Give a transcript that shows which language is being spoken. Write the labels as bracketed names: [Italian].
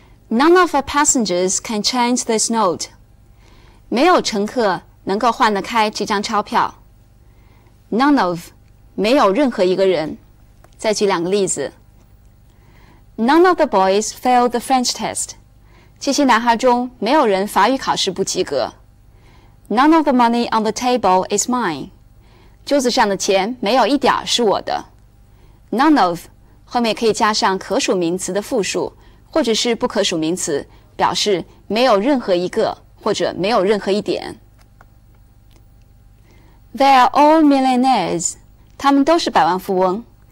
[English] None of our passengers can change this note. [Chinese] 没有乘客能够换得开这张钞票。 None of, 没有任何一个人。再举两个例子。 [English] None of the boys failed the French test. [Chinese] 这些男孩中没有人法语考试不及格。 [English] None of the money on the table is mine. [Chinese] 桌子上的钱没有一点是我的。None of, 后面可以加上可数名词的复数。或者是不可数名词，表示没有任何一个，或者没有任何一点。 [English] They are all millionaires. [Chinese] 他们都是百万富翁。